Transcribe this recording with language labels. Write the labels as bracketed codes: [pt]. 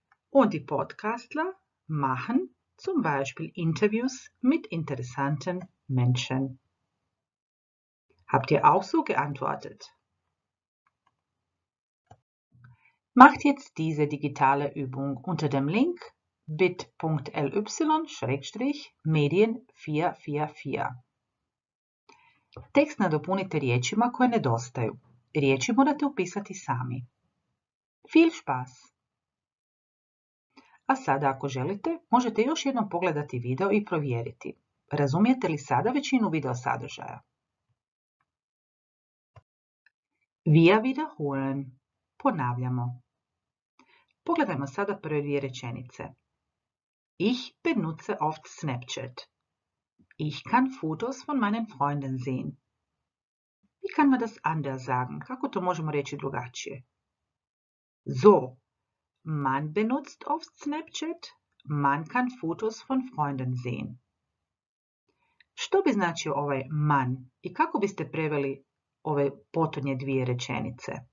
[de] Und die Podcastler machen zum Beispiel Interviews mit interessanten Menschen. Habt ihr auch so geantwortet? Macht jetzt diese digitale Übung unter dem Link bit.ly/medien444. [hr] Tekst nadopunite riječima koje nedostaju. Riječi morate upisati sami. [de] Viel Spaß! [hr] A sada, ako želite, možete još jednom pogledati video i provjeriti. Razumijete li sada većinu video sadržaja? [de] Wir wiederholen. [hr] Ponavljamo. Pogledajmo sada prve dvije rečenice. [de] Ich benutze oft Snapchat. Ich kann Fotos von meinen Freunden sehen. Wie kann man das anders sagen? [hr] Kako to možemo reći drugačije? [de] So. Man benutzt oft Snapchat. Man kann Fotos von Freunden sehen. [hr] Što bi značio ovaj man i kako biste preveli ove potonje dvije rečenice?